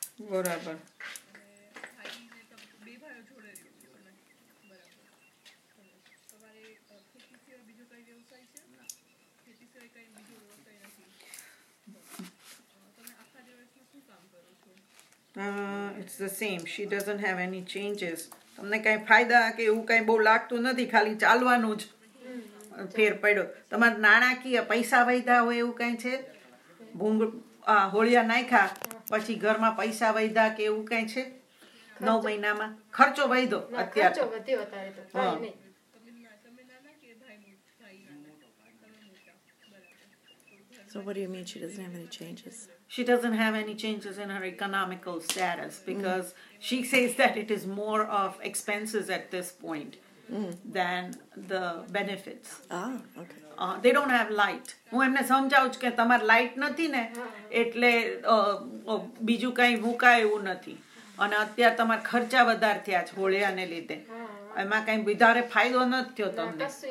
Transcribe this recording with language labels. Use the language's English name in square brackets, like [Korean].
[English] બરાબર, it's the same, she doesn't have any changes. [Gujarati] તમને કઈ ફાયદા કે એવું કઈ બહુ લાગતું નથી, ખાલી ચાલવાનું જ ફેર પડ્યો. તમારે નાણાકીય પૈસા વૈધા હોય એવું કઈ છે? ભૂંગ હોળિયા નાખ્યા પછી ઘરમાં પૈસા વૈધા કે એવું કઈ છે? 9 મહિનામાં ખર્ચો વૈધો અત્યારે? ખર્ચો વધ્યો અત્યારે તો કઈ નહીં. [English] So what do you mean she doesn't have any changes? She doesn't have any changes in her economical status because she says that it is more of expenses at this point than the benefits. Okay. They don't have light. [Gujarati] હું એમને સમજાવું છું કે તમારે light નથી ને એટલે બીજું કઈ મુકાય એવું નથી, અને અત્યારે તમારે ખર્ચા વધારે થયા છે હોળિયાને લીધે, એમાં કઈ વધારે ફાયદો નથી થયો તમને.